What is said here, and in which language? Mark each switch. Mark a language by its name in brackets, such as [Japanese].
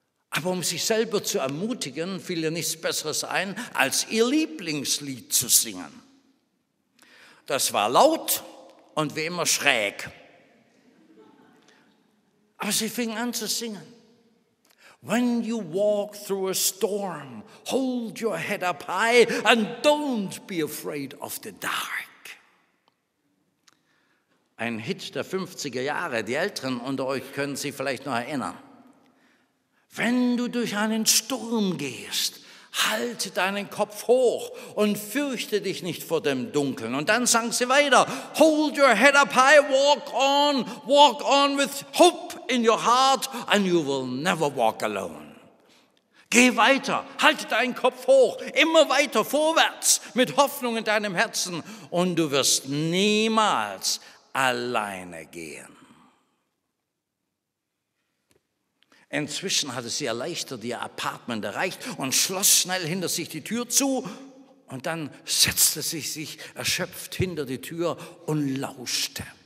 [German] Aber um sich selber zu ermutigen, fiel ihr nichts Besseres ein, als ihr Lieblingslied zu singen. Das war laut und wie immer schräg. Aber sie fing an zu singen. [English] When you walk through a storm, hold your head up high and don't be afraid of the dark. [German] Ein Hit der 50er Jahre, die Älteren unter euch können sich vielleicht noch erinnern. Wenn du durch einen Sturm gehst, halte deinen Kopf hoch und fürchte dich nicht vor dem Dunkeln. Und dann sang sie weiter. [English] Hold your head up high, walk on with hope in your heart and you will never walk alone. [German] Geh weiter, halte deinen Kopf hoch, immer weiter vorwärts mit Hoffnung in deinem Herzen und du wirst niemals alleine gehen. Inzwischen hatte sie erleichtert ihr Apartment erreicht und schloss schnell hinter sich die Tür zu und dann setzte sie sich erschöpft hinter die Tür und lauschte.